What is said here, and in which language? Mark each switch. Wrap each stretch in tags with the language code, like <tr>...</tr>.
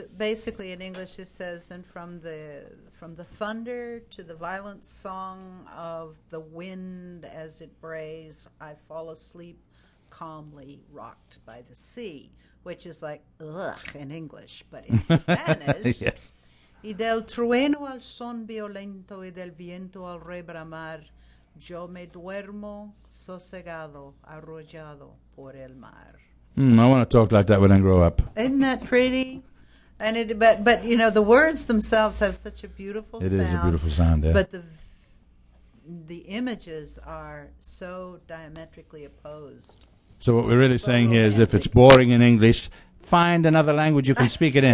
<en>Basically, in English, it says, "And from the thunder to the violent song of the wind as it brays, I fall asleep, calmly rocked by the sea," which is like ugh in English, but in Spanish, yes.</en> <es>"Y del trueno al son violento y del viento al rebramar, yo me duermo sosegado, arrollado por el mar."</es> <en>I want to talk like that when I grow up. Isn't that pretty? And but you know, the words themselves have such a beautiful sound. It is a beautiful sound, yeah. But the images are so diametrically opposed. So what we're really saying here is, if it's boring in English, find another language you can speak it in.</en>